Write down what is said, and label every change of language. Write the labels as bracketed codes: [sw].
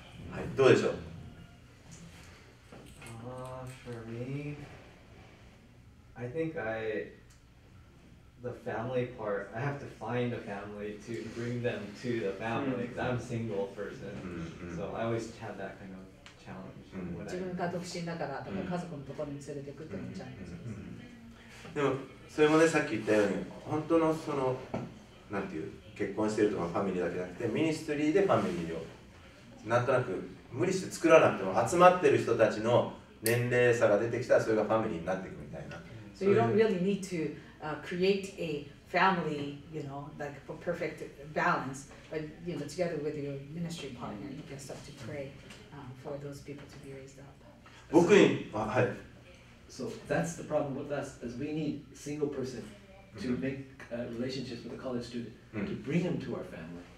[ja] はい、どうでしょう。 [en] For me, I think the family part, I have to find a family to bring them to the family because I'm a single person. So I always have that kind of challenge. [ja] 自分が独身だから、だから家族のところに連れて行くっていうのがチャレンジです。でも、それもね、さっき言ったように、本当のその、なんていう、結婚してるとかファミリーだけじゃなくて、ミニストリーでファミリーを、なんとなく無理して作らなくても、集まってる人たちの年齢差が出てきたら、それがファミリーになっていくみたいな。 [en] So you don't really need toCreate a family, you know, like a perfect balance, but you know, together with your ministry partner, you can start to pray for those people to be raised up. So that's the problem with us, is we need a single person to make relationships with a college student to bring them to our family.